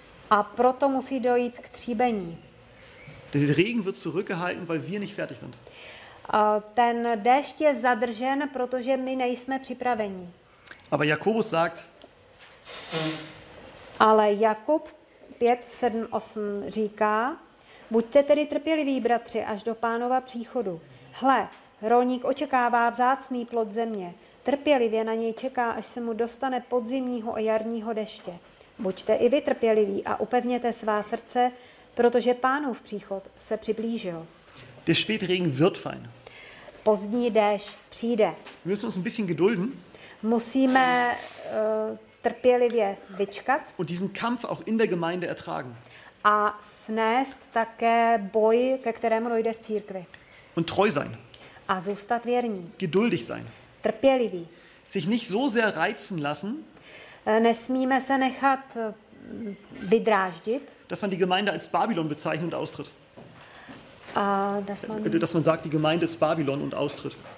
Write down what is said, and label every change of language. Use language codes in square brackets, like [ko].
[cs] A proto musí dojít k tříbení. [de] Dieser Regen wird zurückgehalten, weil wir nicht fertig sind. [cs] Ten déšť je zadržen, protože my nejsme připraveni. [de] Aber Jakobus sagt. [cs] Ale Jakub 5:7-8 říká: Buďte tedy trpěliví, bratři, až do Pánova příchodu. Hle, rolník očekává vzácný plod země. Trpělivě na něj čeká, až se mu dostane podzimního a jarního deště. Buďte i vy trpěliví a upevněte svá srdce, protože Pánův příchod se přiblížil. [de] Der Spätregen wird fallen. [cs] Pozdní déšť přijde. [de] Wir müssen uns ein bisschen gedulden. [cs] Musíme trpělivě vyčkat. [de] Und diesen Kampf auch in der Gemeinde ertragen. [cs] A snést také boj, ke kterému dojde v církvi. [de] Und treu sein. [cs] A zůstat věrní. [de] Geduldig sein. [cs] Trpělivý. [de] Sich nicht so sehr reizen lassen. [cs] Nesmíme se nechat vydráždit. [de] Dass man die Gemeinde als Babylon bezeichnet und austritt. Dass man sagt, die Gemeinde ist Babylon und austritt.